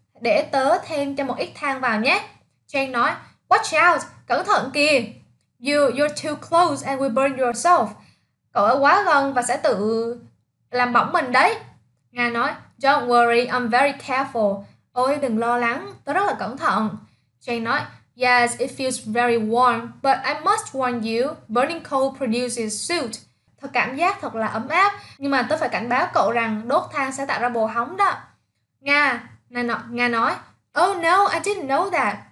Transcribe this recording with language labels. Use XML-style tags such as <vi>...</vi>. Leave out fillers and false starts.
<vi>Để tớ thêm cho một ít than vào nhé. Jane nói,</vi> <en>watch out,</en> <vi>cẩn thận kìa.</vi> <en>You're too close and will burn yourself.</en> <vi>Cậu ở quá gần và sẽ tự làm bỏng mình đấy. Nga nói,</vi> <en>don't worry, I'm very careful.</en> <vi>Ôi, đừng lo lắng, tớ rất là cẩn thận.</vi> <en>Jane nói, yes, it feels very warm, but I must warn you, burning coal produces soot.</en> <vi>thật cảm giác thật là ấm áp. Nhưng mà tớ phải cảnh báo cậu rằng đốt than sẽ tạo ra bồ hóng đó.</vi> <en>Nga nói, oh no, I didn't know that.</en>